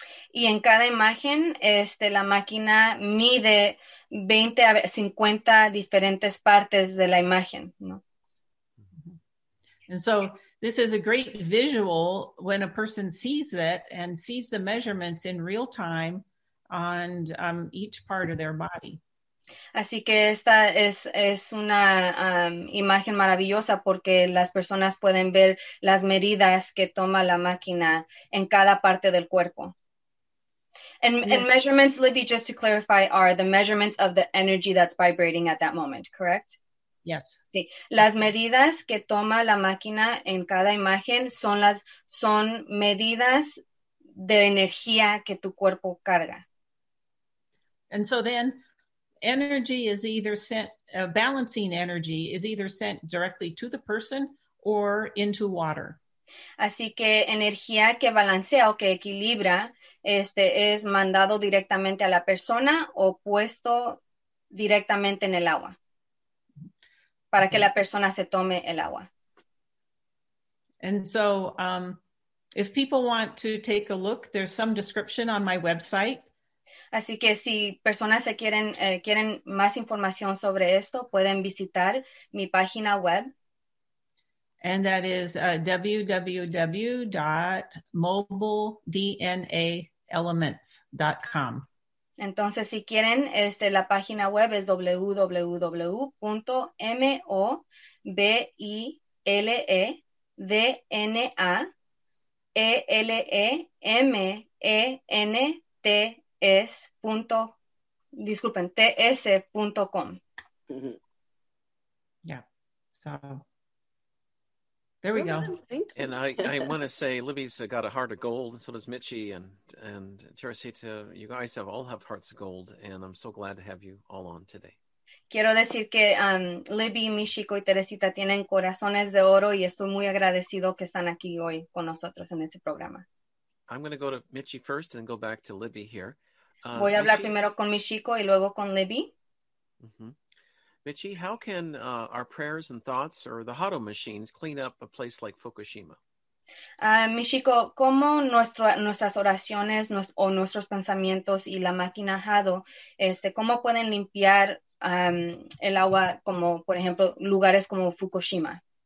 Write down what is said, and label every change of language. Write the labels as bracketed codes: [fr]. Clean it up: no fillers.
[es] Y en cada imagen, la máquina mide 20 a 50 diferentes partes de la imagen, ¿no? [en] And so this is a great visual when a person sees it and sees the measurements in real time on each part of their body. [es] Así que esta es una imagen maravillosa porque las personas pueden ver las medidas que toma la máquina en cada parte del cuerpo. [en] And, yeah. And measurements, Libby, just to clarify, are the measurements of the energy that's vibrating at that moment, correct? Yes. [es] Sí. Las medidas que toma la máquina en cada imagen son medidas de energía que tu cuerpo carga. [en] And so then energy is either sent, balancing energy is either sent directly to the person or into water. [es] Así que energía que balancea o que equilibra es mandado directamente a la persona o puesto directamente en el agua. Para que la persona se tome el agua. [en] And so, if people want to take a look, there's some description on my website. [es] Así que si personas se quieren más información sobre esto, pueden visitar mi página web. [en] And that is www.mobilednaelements.com. [es] Entonces, si quieren, la página web es www.mobilednaelements.com. [en] Mm-hmm. Yeah. So, there we go. And I want to say, Libby's got a heart of gold, and so does Mitchie, and Teresita, you guys all have hearts of gold, and I'm so glad to have you all on today. [es] Quiero decir que Libby, Michiko y Teresita tienen corazones de oro, y estoy muy agradecido que están aquí hoy con nosotros en este programa. [en] I'm going to go to Mitchie first, and then go back to Libby here. [es] Voy a hablar Mitchie, primero con Michiko y luego con Libby. Mm-hmm. [en] Mitchie, how can our prayers and thoughts or the Hado machines clean up a place like Fukushima? [es] Michiko, ¿cómo nuestras oraciones o nuestros pensamientos y la máquina Hado, cómo pueden limpiar el agua como, por ejemplo, lugares como Fukushima?